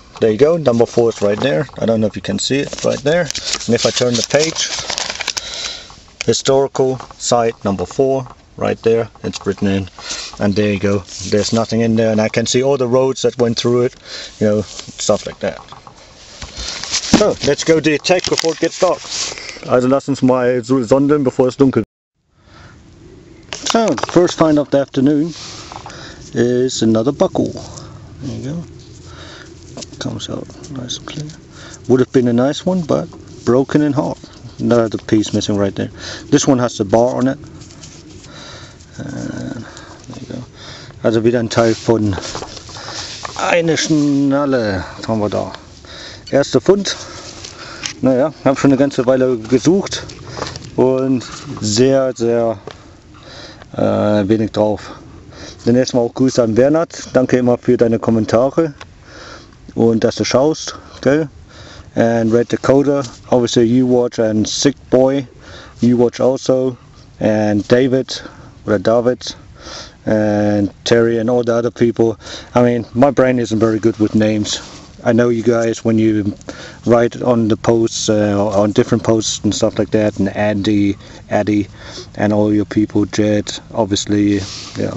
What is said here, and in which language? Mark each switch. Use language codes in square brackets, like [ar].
[en] There you go, number 4 is right there. I don't know if you can see it right there. And if I turn the page, historical site number 4 right there, it's written in, and there you go, there's nothing in there, and I can see all the roads that went through it, you know, stuff like that. So, let's go detect before it gets dark. [de] Also lass uns mal so sondern, bevor es dunkel wird. [en] So, first find of the afternoon is another buckle. There you go. Comes out nice and clear. Would have been a nice one, but broken in half. Another piece missing right there. This one has the bar on it. [de] Also wieder ein Teil von eine Schnalle haben wir da. Erster Fund. Naja, haben schon eine ganze Weile gesucht und sehr wenig drauf. Dann erstmal auch Grüße an Bernhard. Danke immer für deine Kommentare und dass du schaust. Gell? [en] And Red Dakota, obviously you watch, and Sick Boy, you watch also, and David oder David. And Terry and all the other people. I mean, my brain isn't very good with names. I know you guys, when you write on the posts, on different posts and stuff like that, and Andy, Eddie, and all your people, Jed, obviously, yeah.